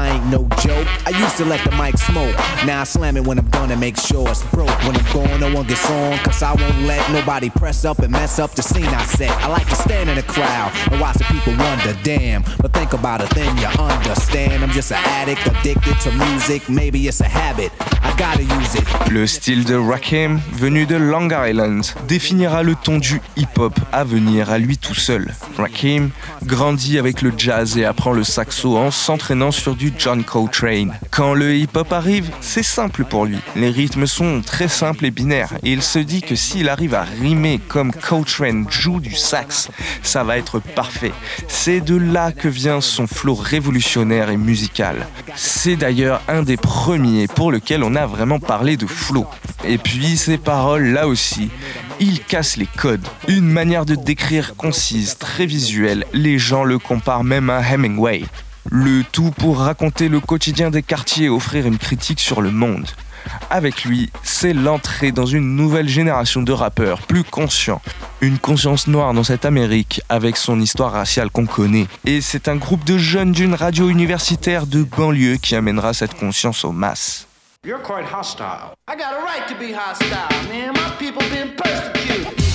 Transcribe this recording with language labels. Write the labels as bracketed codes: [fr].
[en] No joke, I used to let the mic smoke. Now I slam it when I'm gonna make sure it's broke. When I'm gone, no one gets on, cause I won't let nobody press up and mess up the scene I set. I like to stand in a crowd and watch the people wonder, damn. But think about it, then you understand. I'm just an addict, addicted to music. Maybe it's a habit, I gotta use it. [fr] Le style de Rakim, venu de Long Island, définira le ton du hip-hop à venir à lui tout seul. Rakim grandit avec le jazz et apprend le saxo en s'entraînant sur du jazz. Coltrane. Quand le hip-hop arrive, c'est simple pour lui. Les rythmes sont très simples et binaires. Et il se dit que s'il arrive à rimer comme Coltrane joue du sax, ça va être parfait. C'est de là que vient son flow révolutionnaire et musical. C'est d'ailleurs un des premiers pour lequel on a vraiment parlé de flow. Et puis ses paroles, là aussi, il casse les codes. Une manière de décrire concise, très visuelle, les gens le comparent même à Hemingway. Le tout pour raconter le quotidien des quartiers et offrir une critique sur le monde. Avec lui, c'est l'entrée dans une nouvelle génération de rappeurs plus conscients. Une conscience noire dans cette Amérique avec son histoire raciale qu'on connaît. Et c'est un groupe de jeunes d'une radio universitaire de banlieue qui amènera cette conscience aux masses. [en] You're quite hostile. I got a right to be hostile, man. My people been persecuted.